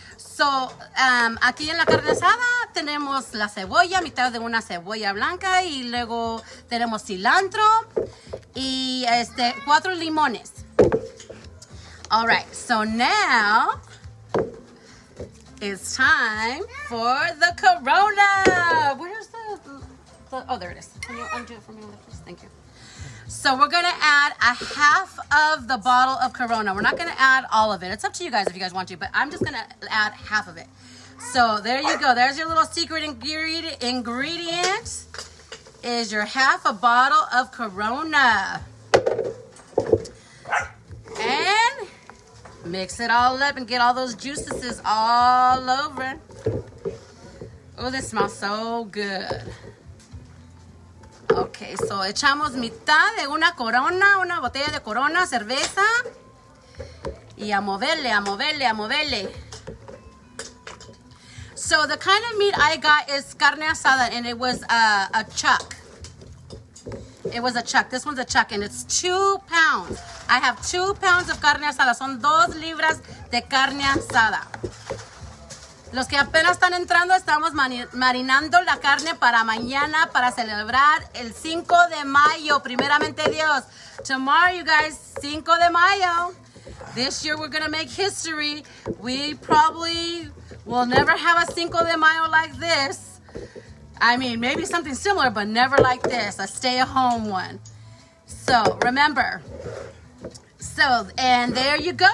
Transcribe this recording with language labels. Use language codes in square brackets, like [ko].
[es] So, aquí en la carne asada tenemos la cebolla, mitad de una cebolla blanca, y luego tenemos cilantro y cuatro limones. [en] All right, so now it's time for the corona. Where's oh, there it is. Can you undo it for me, please? Thank you. So we're going to add a half of the bottle of Corona. We're not going to add all of it. It's up to you guys if you guys want to, but I'm just going to add half of it. So there you go. There's your little secret ingredient is your half a bottle of Corona. And mix it all up and get all those juices all over. Oh, this smells so good. [es] Okay, so echamos mitad de una Corona, una botella de Corona, cerveza. Y a moverle, a moverle, a moverle. [en] So the kind of meat I got is carne asada, and it was a chuck. It was a chuck. This one's a chuck, and it's 2 pounds. I have 2 pounds of carne asada. [es] Son 2 libras de carne asada. Los que apenas están entrando, estamos marinando la carne para mañana, para celebrar el 5 de mayo, primeramente Dios. [en] Tomorrow, you guys, 5 de mayo. This year, we're going to make history. We probably will never have a 5 de mayo like this. I mean, maybe something similar, but never like this, a stay-at-home one. So, remember. So, and there you go.